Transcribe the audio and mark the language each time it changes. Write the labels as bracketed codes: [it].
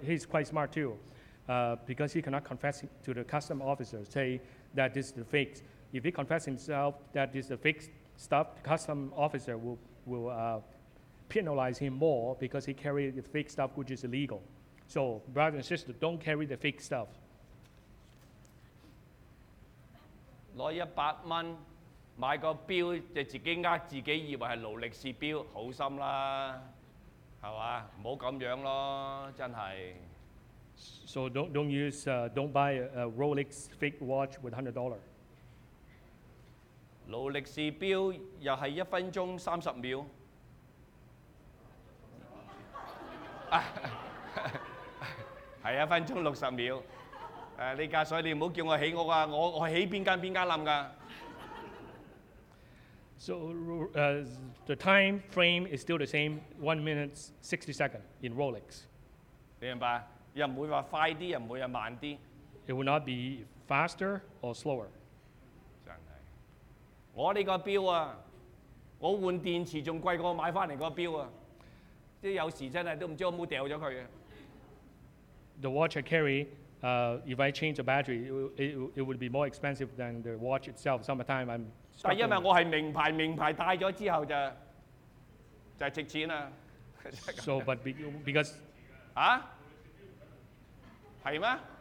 [en] He's quite smart too, because he cannot confess to the custom officer, say that this is the fake. If he confesses himself that this is the fake stuff, the custom officer will penalize him more because he carried the fake stuff, which is illegal. So brother and sister, don't carry the fake stuff. [yue] 攞一百蚊。買個錶就自己呃自己，以為係勞力士錶，好心啦，係嘛？唔好咁樣咯，真係。 [en] So don't buy a Rolex fake watch with $100. [yue] 勞力士錶又係一分鐘三十秒。係一分鐘六十秒。你家所以你唔好叫我起屋啊！我起邊間邊間冧噶。 [en] So the time frame is still the same, 1 minute, 60 seconds in Rolex. [yue] 明白？又唔會話快啲，又唔會話慢啲。 [en] It will not be faster or slower. [yue] 真係。我呢個錶啊，我換電池仲貴過我買翻嚟個錶啊！即係有時真係都唔知我冇掉咗佢啊。 [en] The watch I carry, if I change the battery, it would be more expensive than the watch itself. Sometime I'm [yue] 但係因為我係名牌戴咗之後就係值錢啦。 [en] So but because [yue] 啊係咩？ [en] Yeah.